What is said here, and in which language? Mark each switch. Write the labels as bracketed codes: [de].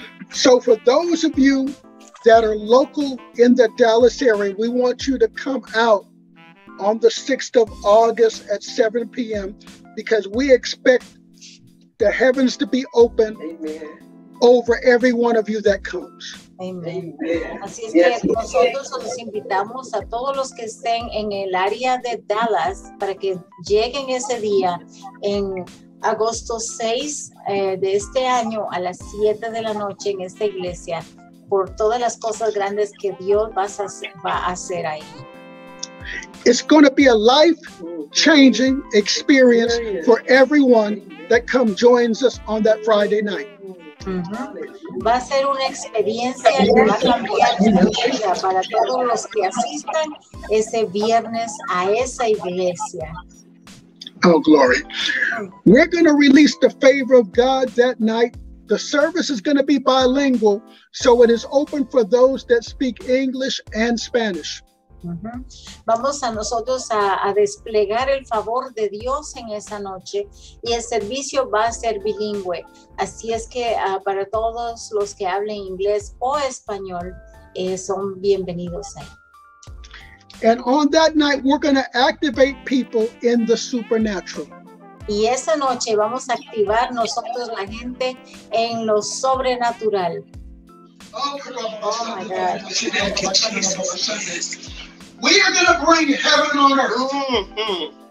[en] So for those of you that are local in the Dallas area, we want you to come out on the 6th of August at 7 p.m. because we expect the heavens to be open. Amen. Over every one of you that comes. Amen. [es] Así es que nosotros los invitamos a todos los que estén en el área de Dallas para que lleguen ese día en agosto 6 de este año a las 7 de la noche en esta iglesia por todas las cosas grandes que Dios va a hacer ahí. [en] It's going to be a life-changing experience for everyone that comes joins us on that Friday night. Uh-huh. [es] Va a ser una experiencia que va a cambiar su vida para todos los que asistan ese viernes a esa iglesia. [en] Oh, glory. We're going to release the favor of God that night. The service is going to be bilingual, so it is open for those that speak English and Spanish. Uh-huh. [es] Vamos a nosotros a desplegar el favor de Dios en esa noche y el servicio va a ser bilingüe. Así es que para todos los que hablen inglés o español, son bienvenidos ahí. [en] And on that night, we're going to activate people in the supernatural. [es] Y esa noche vamos a activar nosotros la gente en lo sobrenatural. [en] Oh, my God. We are going to bring heaven on earth.